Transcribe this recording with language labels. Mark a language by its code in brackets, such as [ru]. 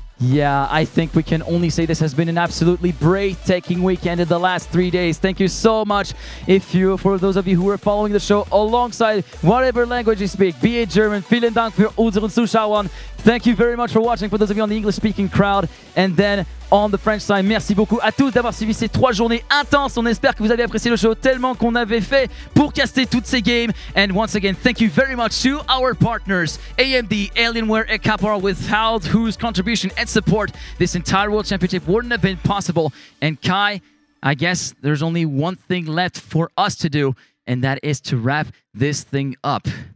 [en] Yeah, I think we can only say this has been an absolutely breathtaking weekend in the last 3 days. Thank you so much. For those of you who are following the show alongside whatever language you speak, be it German, [de] vielen Dank für unseren Zuschauern. [en] Thank you very much for watching, for those of you on the English-speaking crowd. And then on the French side. [fr] Merci beaucoup à tous d'avoir suivi ces trois journées intenses. On espère que vous avez apprécié le show tellement qu'on avait fait pour caster toutes ces games. [en] And once again, thank you very much to our partners, AMD, Alienware, et Capcom, without whose contribution and support this entire World Championship wouldn't have been possible. And Kai, I guess there's only one thing left for us to do, and that is to wrap this thing up.